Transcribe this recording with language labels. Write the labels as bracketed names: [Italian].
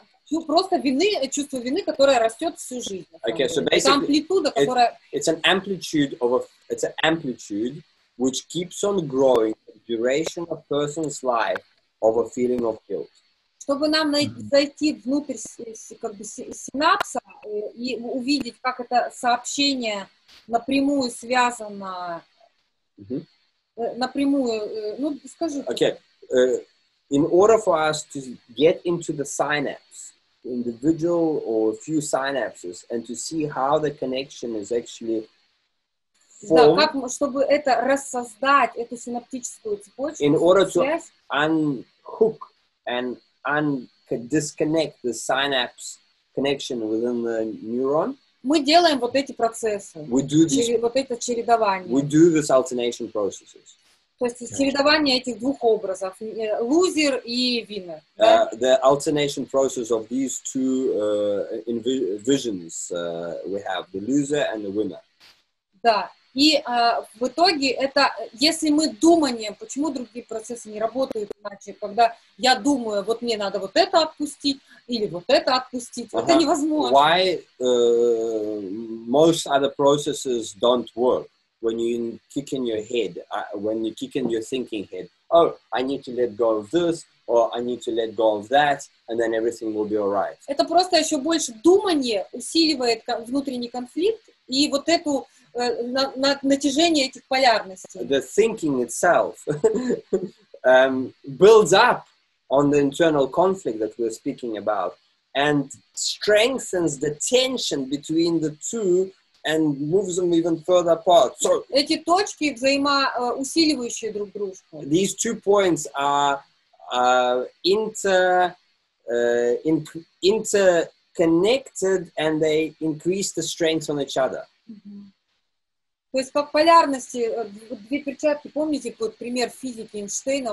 [Russian] Это просто вины, чувство вины, которое растет всю жизнь. [English] Okay, so basically, [Russian] это амплитуда, которая... [English] It's an amplitude which keeps on growing the duration of a person's life of a feeling of guilt. [Russian] чтобы нам зайти внутрь как бы синапса и увидеть, как это сообщение напрямую связано, напрямую, ну, скажу. [English] Okay. In order for us to get into the synapse, individual or a few synapses, and to see how the connection is actually formed. [Russian] Да, как, чтобы это рассоздать, эту синаптическую цепочку. [English] In order to unhook and disconnect the synapse connection within the neuron. [Russian] Мы делаем вот эти процессы. [English] We do this. [Russian] Вот это чередование. [English] We do this alternation processes. [Russian] То есть чередование этих двух образов, лузер и виннер. [English] The alternation process of these two visions we have, the loser and the winner. [Russian] Да, и в итоге это, если мы думанием, почему другие процессы не работают иначе, когда я думаю, вот мне надо вот это отпустить, или вот это отпустить, это невозможно. [English] Why most other processes don't work? When you kick in your head, when you kick in your thinking head, oh, I need to let go of this, or I need to let go of that, and then everything will be all right. [Russian] Это просто еще больше думание усиливает внутренний конфликт и вот эту натяжение этих полярностей. [English] The thinking itself builds up on the internal conflict that we're speaking about and strengthens the tension between the two. And moves them even further apart. So [Russian] эти точки взаимоусиливающие друг дружку. [English] These two points are interconnected, and they increase the strength on each other. Mm-hmm. [Russian] То есть как полярности две перчатки. Помните, вот пример физики Эйнштейна.